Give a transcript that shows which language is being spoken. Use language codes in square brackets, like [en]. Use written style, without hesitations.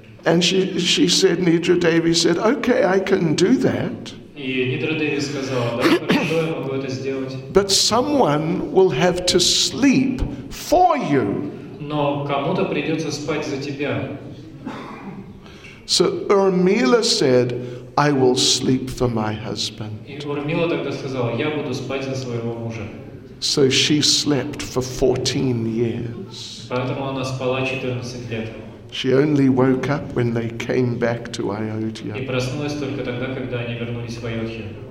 [en] And she said, Nidra Devi said, okay, I can do that. [ru] И Нидра Деви сказала, да, хорошо, я могу это сделать. [en] But someone will have to sleep for you. [ru] Но кому-то придется спать за тебя. [en] So Urmila said, I will sleep for my husband. [ru] И Урмила тогда сказала, я буду спать за своего мужа. [en] So she slept for 14 years. [ru] Поэтому она спала 14 лет. [en] She only woke up when they came back to Ayodhya. [ru] И проснулась только тогда, когда они вернулись в Айодхи.